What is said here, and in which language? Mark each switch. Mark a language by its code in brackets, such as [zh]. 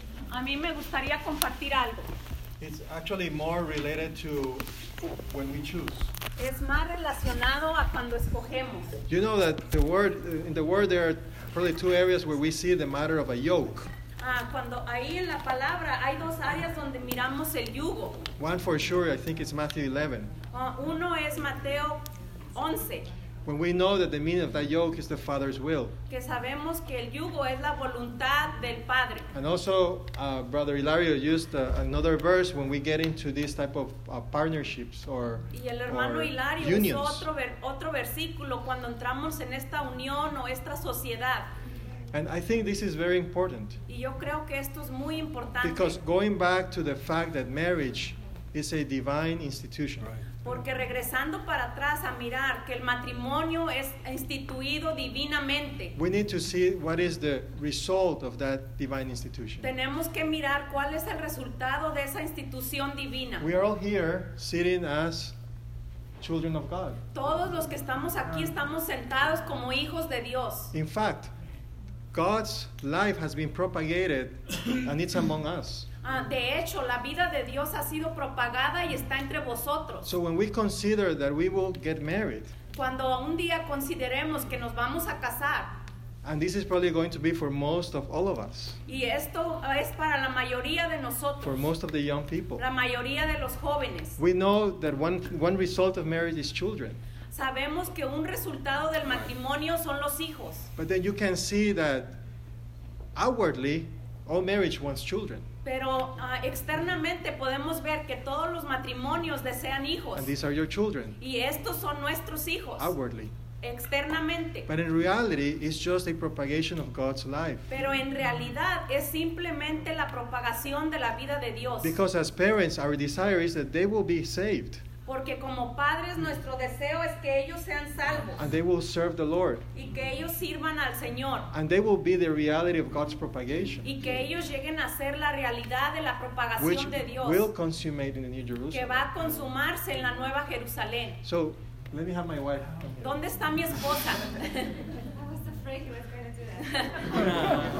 [es] A mí me gustaría compartir algo. [en] It's actually more related to when we choose. [es] Es más relacionado a cuando escogemos. [en] You know that the word, in the word there are probably two areas where we see the matter of a yoke. [es] Cuando ahí en la palabra hay dos áreas donde miramos el yugo. [en] One for sure, I think it's Matthew 11. [es] Uno es Mateo 11. [en] When we know that the meaning of that yoke is the Father's will. [es] Que sabemos que el yugo es la voluntad del Padre. [en] And also, Brother Hilario used another verse when we get into this type of partnerships or unions. [es] Y el hermano Hilario usó otro versículo cuando entramos en esta unión o esta sociedad. [en] And I think this is very important. [es] Y yo creo que esto es muy importante. [en] Because going back to the fact that marriage is a divine institution. Right. [es] Porque regresando para atrás a mirar que el matrimonio es instituido divinamente. [en] We need to see what is the result of that divine institution. [es] Tenemos que mirar cuál es el resultado de esa institución divina. [en] We are all here sitting as children of God. [es] Todos los que estamos aquí estamos sentados como hijos de Dios. [en] In fact, God's life has been propagated and it's among us. [es] De hecho, la vida de Dios ha sido propagada y está entre vosotros. [en] So when we consider that we will get married, [es] cuando un día consideremos que nos vamos a casar, [en] and this is probably going to be for most of all of us, [es] y esto es para la mayoría de nosotros, [en] for most of the young people, [es] la mayoría de los jóvenes, [en] we know that one result of marriage is children. [es] Sabemos que un resultado del matrimonio son los hijos. [en] But then you can see that outwardly, all marriage wants children. [es] Pero externamente podemos ver que todos los matrimonios desean hijos. [en] And these are your children. [es] Y estos son nuestros hijos. [en] Outwardly. [es] Externamente. [en] But in reality, it's just a propagation of God's life. [es] Pero en realidad es simplemente la propagación de la vida de Dios. [en] Because as parents, our desire is that they will be saved. [es] Porque como padres, nuestro deseo es que ellos sean salvos. [en] And they will serve the Lord. [es] Y que ellos sirvan al Señor. [en] And they will be the reality of God's propagation. [es] Y que ellos lleguen a ser la realidad de la propagación [en] which [es] de Dios. [en] Which will consummate in the New Jerusalem. [es] Que va a consumarse en la Nueva Jerusalén. [en] So, let me have my wife. [es] ¿Dónde está mi esposa? [en] I was afraid he was going to do that.